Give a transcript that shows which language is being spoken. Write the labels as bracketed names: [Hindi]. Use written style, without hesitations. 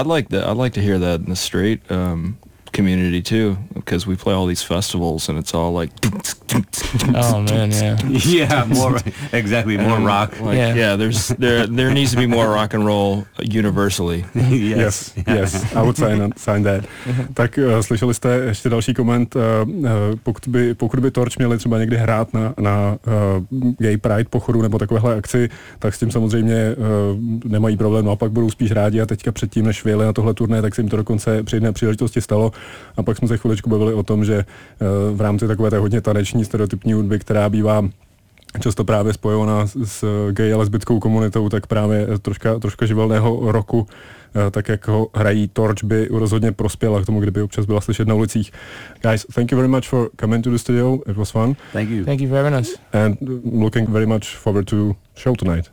[English] I'd like to hear that in the straight community too, because we play all these festivals and it's all like, oh man, yeah more exactly, more rock, like, yeah. Yeah, there needs to be more rock and roll universally. yes I would sign that. [Czech] Tak slyšeli jste ještě další koment, pokud by Torch měli třeba někdy hrát na gay pride pochodu nebo takovéhle akci, tak s tím samozřejmě nemají problém, no a pak budou spíš rádi. A teďka předtím, než vyjeli na tohle turné, tak se jim to dokonce při jedné příležitosti stalo. A pak jsme se chviličku bavili o tom, že v rámci takové té hodně taneční stereotypní hudby, která bývá často právě spojovaná s gay a lesbickou komunitou, tak právě troška živelného roku, tak jak ho hrají Torch, by rozhodně prospěla k tomu, kdyby občas byla slyšet na ulicích. [English] Guys, thank you very much for coming to the studio. It was fun. Thank you. Thank you for having us. And looking very much forward to show tonight.